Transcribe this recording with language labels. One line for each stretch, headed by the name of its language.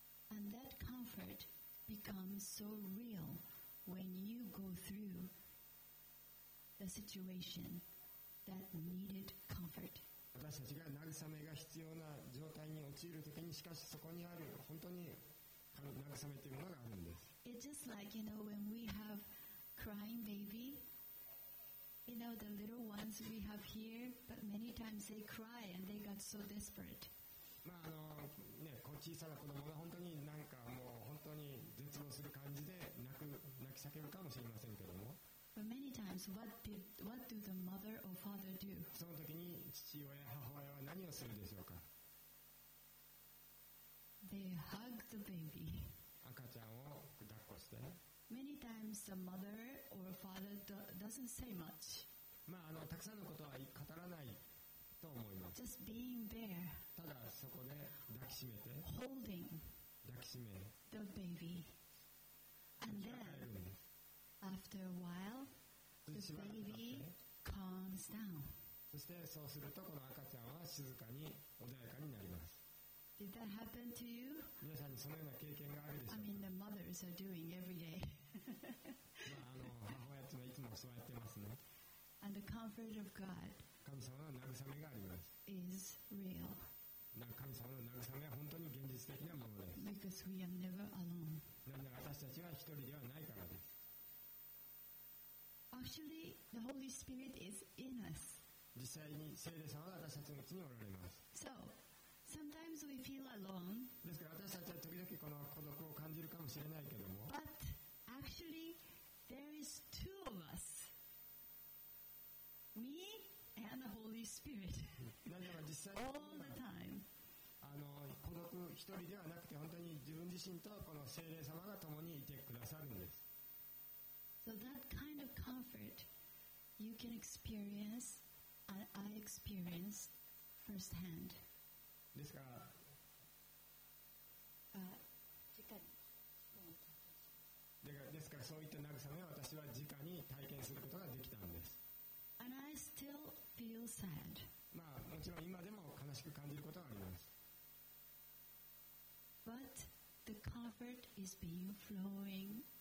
English: And that comfort becomes so real when you go through the situation that needed comfort.
Japanese: 私たちが慰めが必要な状態に陥るときに、しかしそこにある本当に慰めというものがあるんです。
English: It's just like, you know, when we have crying baby, you know, the little ones we have here, but many times they cry and they got so desperate.
Japanese: まあ、ね、小さな子供が本当になんかもう本当に絶望する感じで泣き叫ぶかもしれませんけども。
English: But many times, what do the mother or father do?
Japanese: その時に父親母親は何をするでしょうか。
English: They hug the baby.
Japanese: 赤ちゃんを抱っこして。
English: Many times the mother or father doesn't say much.
Japanese: まあたくさんのことは語らないと思います。
English: Just being there.
Japanese: ただそこで抱きしめて。
English: Holding.
Japanese: 抱きしめ。
English: The baby. And then. After a while, the baby calms down.
Japanese: そしてそうするとこの赤ちゃんは静かに穏やかになります。
English: Did that happen to you?
Japanese: 皆さんにそのような経験があるでしょうか。
English: I mean the mothers are doing every day.
Japanese: まあ母親たちはいつもそうやってますね。
English: And the comfort of God.
Japanese: 神様の慰めがあります。
English: Is real.
Japanese: 神様の慰めは本当に現実的なものです。
English: Because we are never alone.
Japanese: なぜなら私たちは一人ではないからです。
English: Actually, the Holy Spirit is in us.
Japanese: 実際に聖霊様は私たちのうちにおられます。
English: So, sometimes we feel alone.
Japanese: ですから私たちは時々この孤独を感じるかもしれないけども。
English: But actually, there is two of us. Me and the Holy Spirit. All the time.
Japanese: 孤独一人ではなくて本当に自分自身とこの聖霊様が共にいてくださるんです。
English: So that kind of comfort you can experience, I experienced firsthand.
Japanese: ですから、ですからそういった慰めを私は直に体験することができたんです。
English: And I still feel sad.
Japanese: まあもちろん今でも悲しく感じることがあります。
English: But the comfort is being flowing.